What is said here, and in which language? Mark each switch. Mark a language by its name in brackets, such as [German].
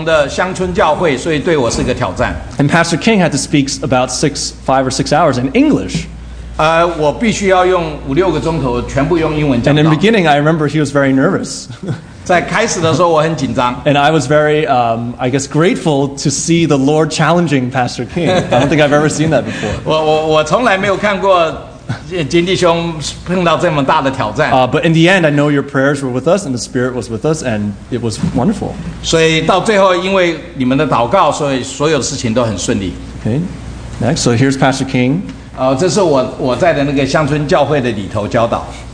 [Chinese] 今年我们三个人是分在三个不同的乡村教会，所以对我是个挑战。 [English] And Pastor King had to speak about five or six hours in English. [Chinese] 我必须要用五六个钟头，全部用英文讲。 [English] And in the beginning, I remember he was very nervous. [Chinese] 在开始的时候，我很紧张。 [English] And I was very, I guess, grateful to see the Lord challenging Pastor King. I don't think I've ever seen that before. [Chinese] 我从来没有看过金弟兄碰到这么大的挑战。 [English] But in the end, I know your prayers were with us, and the Spirit was with us, and it was wonderful. [Chinese] 所以到最后，因为你们的祷告，所以所有事情都很顺利。 [English] Okay, next. So here's Pastor King. [Chinese] 这是我在的那个乡村教会的里头教导。